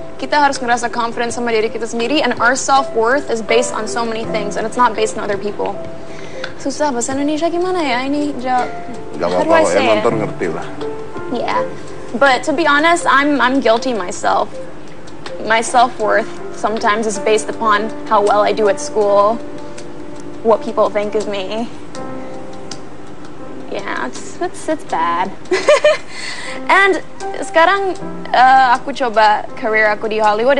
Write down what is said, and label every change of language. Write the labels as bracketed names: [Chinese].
[Indonesian] Kita harus ngerasa confident sama diri kita sendiri, [English] and our self-worth is based on so many things and it's not based on other people. [Indonesian] Susah bahasa Indonesia gimana ya ini jawab. Gak apa-apa, ya nonton ngerti lah. [English] Yeah, but to be honest, I'm guilty myself. My self-worth sometimes is based upon how well I do at school, what people think of me. Yeah, it's bad. And [Indonesian] sekarang aku coba career aku di Hollywood.